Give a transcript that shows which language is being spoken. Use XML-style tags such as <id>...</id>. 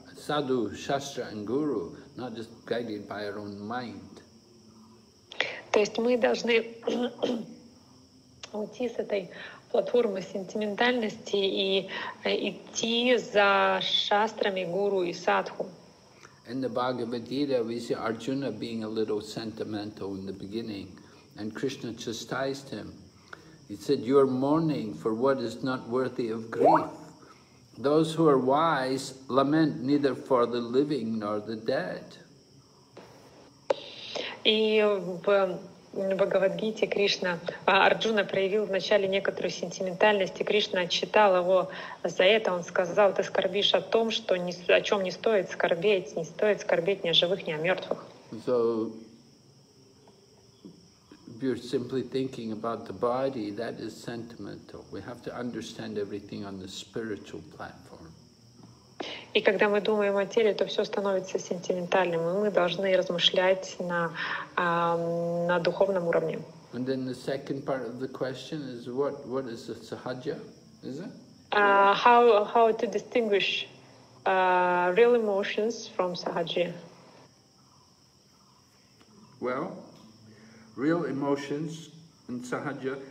<en>Sadhu, Shastra and Guru, not just guided by our own mind.</en> <ru>То есть мы должны уйти с этой платформы сентиментальности и идти за шастрами Гуру и Садху.</ru> <en>In the Bhagavad Gita, we see Arjuna being a little sentimental in the beginning, and Krishna chastised him. He said, "You are mourning for what is not worthy of grief. Those who are wise lament neither for the living nor the dead."</en> <ru>И в Бхагавад-гите Кришна, Арджуна проявил вначале некоторую сентиментальность, и Кришна отчитал его за это. Он сказал, ты скорбишь о том, что не, о чем не стоит скорбеть, не стоит скорбеть ни о живых, ни о мертвых.</ru> <en>So, if you're simply thinking about the body, that is sentimental. We have to understand everything on the spiritual platform.</en> <ru>И когда мы думаем о теле, то все становится сентиментальным, и мы должны размышлять на духовном уровне.</ru> <en>And then the second part of the question is what is a sahaja, is it? How to distinguish real emotions from sahaja? Well, real emotions and sahaja.</en>